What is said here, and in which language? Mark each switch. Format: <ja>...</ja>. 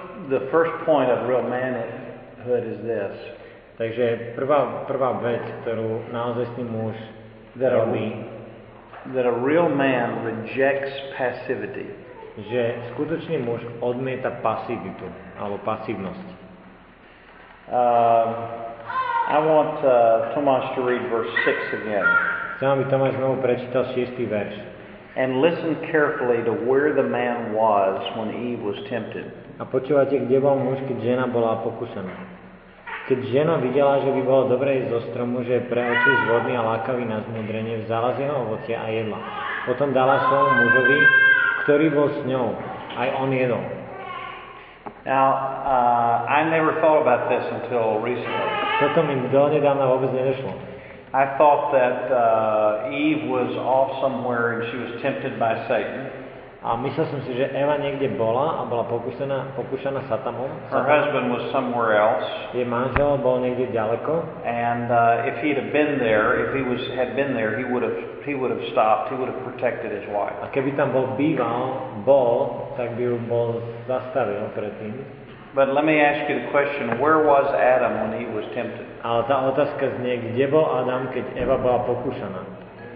<en>The first point of real manhood is this.</en> <sk>Takže prvá vec, ktorú naozajstný muž robí,</sk> <en>that a real man rejects passivity.</en> <sk>Že skutočný muž odmieta pasivitu, alebo pasivnosť.</sk> <en>I want Tomáš to read verse 6 again.</en> <sk>Chcem, aby Tomáš znovu prečítal 6. verš.</sk> <en>And listen carefully to where the man was when Eve was tempted.</en> <sk>A počúvate, kde bol muž, keď žena bola pokúšaná. Keď žena videla, že by bolo dobré ísť zo stromu, že je pre oči zvodný a lákavý na zmudrenie, vzala z jeho ovocia a jedla. Potom dala svojmu mužovi, ktorý bol s ňou. Aj on jedol.</sk> <en>Now, I never thought about this until recently.</en> <sk>Toto mi donedávna vôbec nedošlo.</sk> <en>I thought that Eve was off somewhere and she was tempted by Satan.</en> <sk>A myslel som si, že Eva niekde bola a bola pokúšaná Satanom.</sk> <en>Her husband was somewhere else.</en> <sk>Jej manžel bol niekde ďaleko.</sk> <en>And if he had been there, if he was had been there, he would have stopped. He would have protected his wife.</en> <sk>A keby tam bol býval, bol, tak by ju bol zastavil predtým.</sk> <en>But let me ask you the question, where was Adam when he was tempted?</en> <sk>Ale tá otázka znie, kde bol Adam, keď Eva bola pokúšaná?</sk>